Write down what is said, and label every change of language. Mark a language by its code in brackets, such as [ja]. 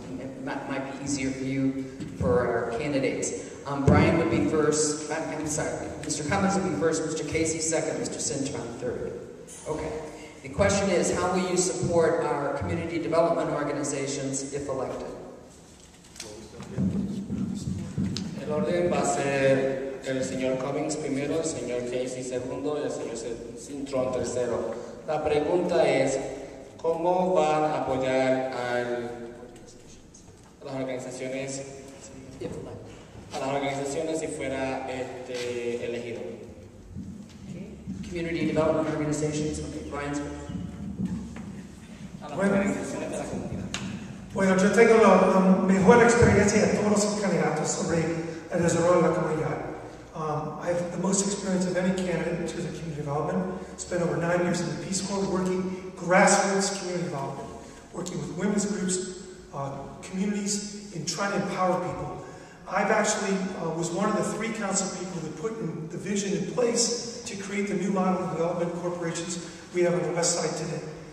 [en] It might be easier for you, for our candidates. Brian would be first, I'm sorry, Mr. Cummins would be first, Mr. Kazy second, Mr. Cintron third. Okay. The question is, how will you support our community development organizations if elected? [es] El orden va a ser el señor Cummins primero, el señor Kazy segundo y el señor Cintron tercero. La pregunta es, ¿cómo van a apoyar a las organizaciones si fuera elegido? [en] Community Development Organizations, okay, Brian's. [es] A las organizaciones de la comunidad. Bueno, yo tengo la mejor experiencia de todos los candidatos sobre el desarrollo de la comunidad. [en] I have the most experience of any candidate in terms of community development. Spent over 9 years in the Peace Corps working grassroots community development, working with women's groups, communities, and trying to empower people. I've actually was one of the three council people that put in the vision in place to create the new model of development corporations we have on the west side today.